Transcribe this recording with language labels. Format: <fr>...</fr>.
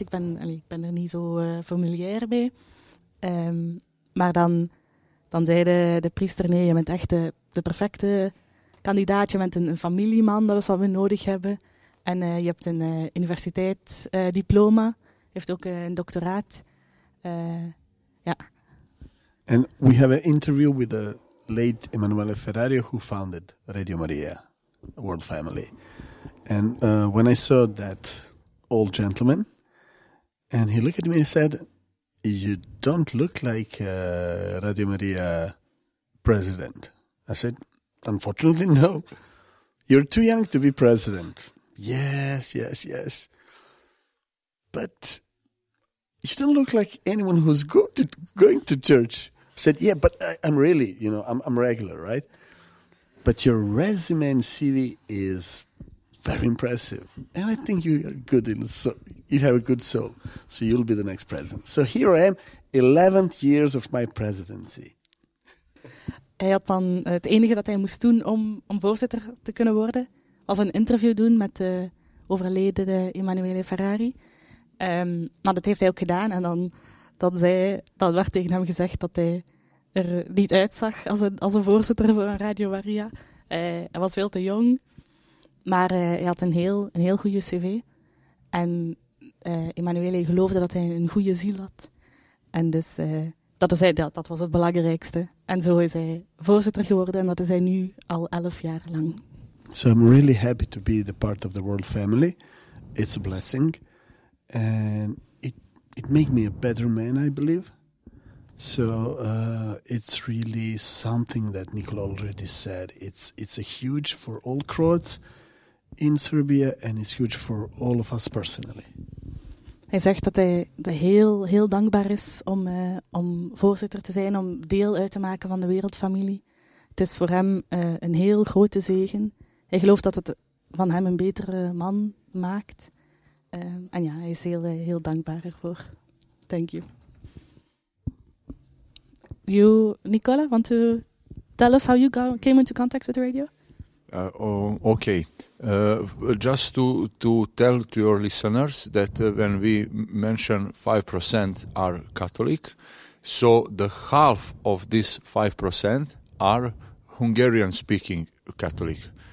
<nl>Ik ben er niet zo familiair mee. Maar dan zei de priester, nee, je bent echt de perfecte kandidaat. Je bent een familieman, dat is wat we nodig hebben. En je hebt een universiteitsdiploma, je hebt ook een doctoraat.</nl> <en>And we have an interview with the late Emanuele Ferrario, who founded Radio Maria, a world family. And when I saw that old gentleman, and he looked at me and said, you don't look like a Radio Maria president. I said, unfortunately, no. You're too young to be president. Yes. But you don't look like anyone who's good at going to church. I said, yeah, but I'm really, I'm regular, right? But your resume and CV is very impressive. And I think you are good in so. You have a good soul, so you'll be the next president. So here I am, 11th years of my presidency.</en> <nl>Hij had dan het enige dat hij moest doen om voorzitter te kunnen worden, was een interview doen met de overleden Emanuele Ferrari. Maar dat heeft hij ook gedaan. En dan werd tegen hem gezegd dat hij er niet uitzag als een voorzitter van Radio Maria. Hij was veel te jong, maar hij had een heel goede cv. En... Emanuele geloofde dat hij een goede ziel had. En dus dat was het belangrijkste. En zo is hij voorzitter geworden en dat is hij nu al 11 jaar lang.</nl> <en>So I'm really happy to be the part of the world family. It's a blessing. And it makes me a better man, I believe. So it's really something that Nicola already said. It's a huge for all Croats in Serbia and it's huge for all of us personally.</en> <nl>Hij zegt dat hij heel, heel dankbaar is om voorzitter te zijn, om deel uit te maken van de wereldfamilie. Het is voor hem een heel grote zegen. Hij gelooft dat het van hem een betere man maakt. En hij is heel, heel dankbaar ervoor.</nl> <en>Thank you. You, Nicola, want to tell us how you came into contact with the radio? Okay. Just to tell to your listeners that when we mention 5% are Catholic, so the half of this 5% are Hungarian-speaking Catholic.</en>